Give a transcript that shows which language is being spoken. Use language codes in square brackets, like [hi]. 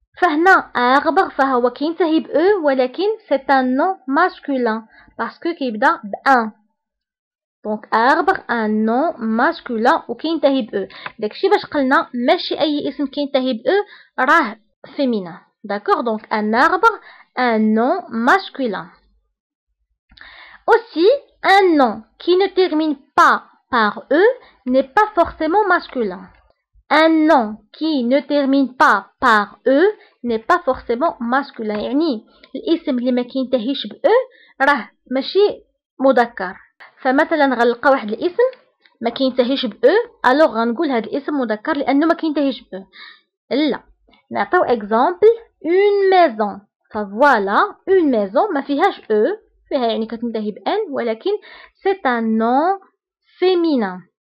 [ar] فهنا اربر فهو كينتهي ب او ولكن [fr] سي ان نو ماسكولين [ar] باسكو كيبدا ب ان، دونك اربر [fr] ان نو ماسكولين [ar] وكينتهي ب او. داكشي باش قلنا ماشي اي اسم كينتهي ب او راه فيمينان. داكور، دونك [fr] ان اربر ان نو ماسكولين. Aussi, un nom qui ne termine pas par E n'est pas forcément masculin. Un nom qui ne termine pas par E n'est pas forcément masculin. [ar] يعني الاسم اللي ما كينتهيش ب E راه ماشي مذكر. فمثلا غنلقى واحد الاسم ما كينتهيش ب E alors غنقول هذا الاسم مذكر لانه ما كينتهيش ب E. لا، نعطيو اكزامبل [fr] une maison. [ar] ف [fr] voilà une maison [ar] ما فيهاش E، فيها يعني كتنتهي بان ولكن [fr] سي ان نو فيمينان.